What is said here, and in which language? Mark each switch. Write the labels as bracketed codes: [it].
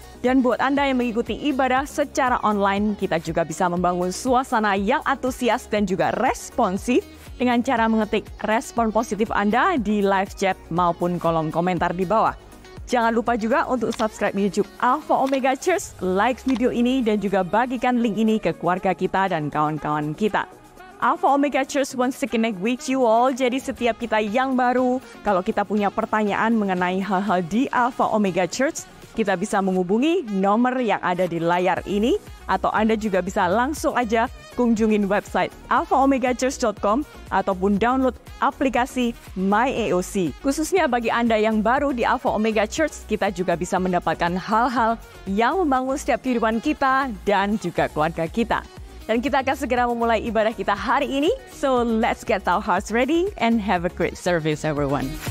[id] Dan buat Anda yang mengikuti ibadah secara online, kita juga bisa membangun suasana yang antusias dan juga responsif dengan cara mengetik respon positif Anda di live chat maupun kolom komentar di bawah. Jangan lupa juga untuk subscribe YouTube Alpha Omega Church, like video ini dan juga bagikan link ini ke keluarga kita dan kawan-kawan kita. [en] Alpha Omega Church wants to connect with you all. [id] Jadi setiap kita yang baru, kalau kita punya pertanyaan mengenai hal-hal di Alpha Omega Church, kita bisa menghubungi nomor yang ada di layar ini, atau Anda juga bisa langsung aja kunjungin website alphaomegachurch.com ataupun download aplikasi MyAOC. Khususnya bagi Anda yang baru di Alpha Omega Church, kita juga bisa mendapatkan hal-hal yang membangun setiap kehidupan kita dan juga keluarga kita. Dan kita akan segera memulai ibadah kita hari ini. [en] So let's get our hearts ready and have a great service everyone.